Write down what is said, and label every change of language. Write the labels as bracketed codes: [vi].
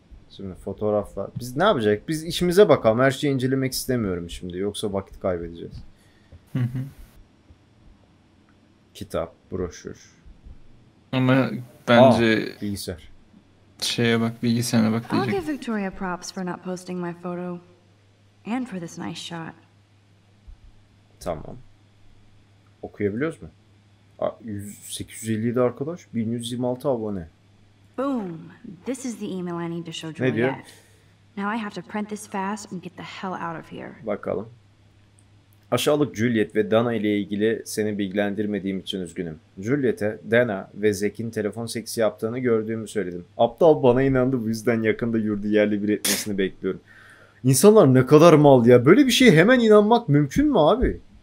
[tr] Şimdi fotoğraflar. Biz ne yapacak? Biz işimize bakalım. Her şeyi incelemek istemiyorum şimdi. Yoksa vakit kaybedeceğiz. Kitap, broşür. Ama bence... Aa, bilgisayar. Şeye bak, bilgisayara bak diyecek. [en] I'll give Victoria props for not posting my photo and for this nice shot. [tr] Tamam. Okuyabiliyoruz mu? 1857 arkadaş, 1126 abone. [en] Boom. This is the email I need to show Juliet. [tr] Ne diyor? [en] Now I have to print this fast and get the hell out of here. [tr] Bakalım. Aşağılık Juliet ve Dana ile ilgili seni bilgilendirmediğim için üzgünüm. Juliet'e Dana ve Zack'in telefon seksi yaptığını gördüğümü söyledim. Aptal bana inandı, bu yüzden yakında yurdu yerli bir etmesini bekliyorum. İnsanlar ne kadar mal ya. Böyle bir şeye hemen inanmak mümkün mü abi?